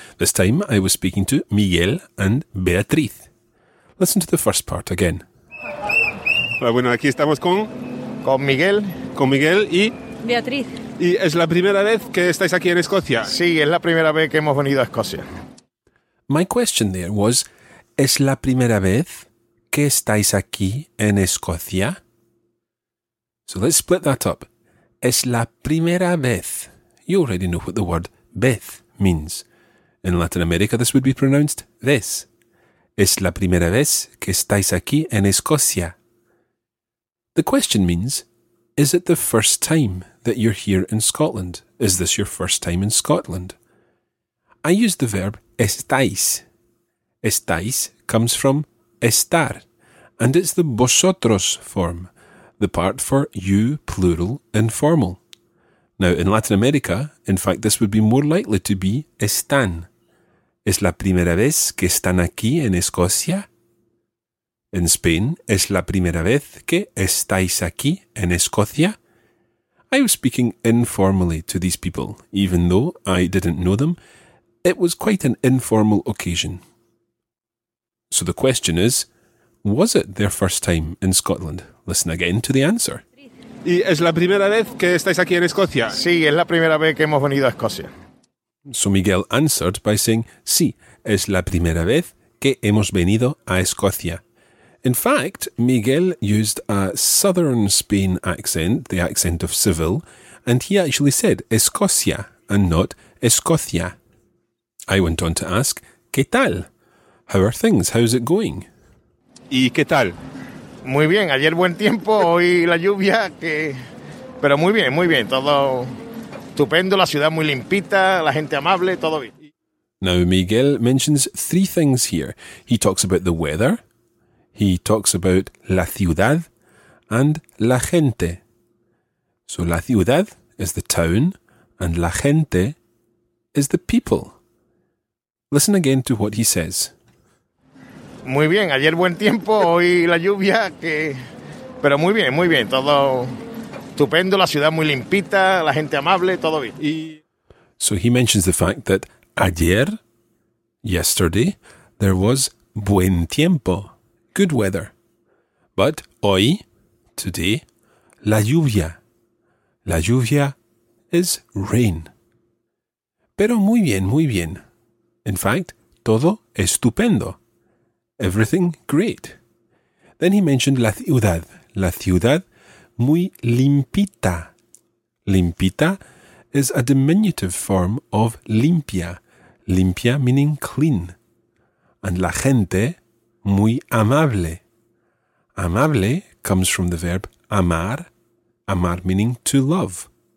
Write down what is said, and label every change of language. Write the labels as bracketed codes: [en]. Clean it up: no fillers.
[en] This time I was speaking to Miguel and Beatriz. Listen to the first part again. [es] Hola, bueno, aquí estamos con... Con Miguel. Con Miguel y... Beatriz. ¿Y es la primera vez que estáis aquí en Escocia? Sí, es la primera vez que hemos venido a Escocia. [en] My question there was, [es] ¿es la primera vez que estáis aquí en Escocia? [en] So let's split that up. [es] Es la primera vez. [en] You already know what the word vez means. In Latin America this would be pronounced this. [es] Es la primera vez que estáis aquí en Escocia. [en] The question means, is it the first time that you're here in Scotland? Is this your first time in Scotland? I use the verb estáis. Estáis comes from estar, and it's the vosotros form, the part for you plural informal. Now, in Latin America, in fact, this would be more likely to be están. [es] ¿Es la primera vez que están aquí en Escocia? [en] In Spain, [es] ¿es la primera vez que estáis aquí en Escocia? [en] I was speaking informally to these people, even though I didn't know them. It was quite an informal occasion. So the question is, was it their first time in Scotland? Listen again to the answer. [es] ¿Y es la primera vez que estáis aquí en Escocia? Sí, es la primera vez que hemos venido a Escocia. [en] So Miguel answered by saying, [es] sí, es la primera vez que hemos venido a Escocia. [en] In fact, Miguel used a southern Spain accent, the accent of Seville, and he actually said Escocia and not Escocia. I went on to ask, [es] ¿qué tal? [en] How are things? How's it going? [es] ¿Y qué tal? Muy bien, ayer buen tiempo, hoy la lluvia, que... pero muy bien, todo estupendo, la ciudad muy limpita, la gente amable, todo bien. [en] Now Miguel mentions three things here. He talks about the weather, he talks about la ciudad and la gente. So la ciudad is the town and la gente is the people. Listen again to what he says. [es] Muy bien, ayer buen tiempo, hoy la lluvia, que... pero muy bien, todo estupendo, la ciudad muy limpita, la gente amable, todo bien. Y... [en] So he mentions the fact that ayer, yesterday, there was buen tiempo, good weather. But hoy, today, la lluvia is rain. [es] Pero muy bien, [en] in fact, [es] todo estupendo. [en] Everything great. Then he mentioned [es] la ciudad muy limpita. [en] Limpita is a diminutive form of limpia, limpia meaning clean. And [es] la gente muy amable. [en] Amable comes from the verb amar, amar meaning to love.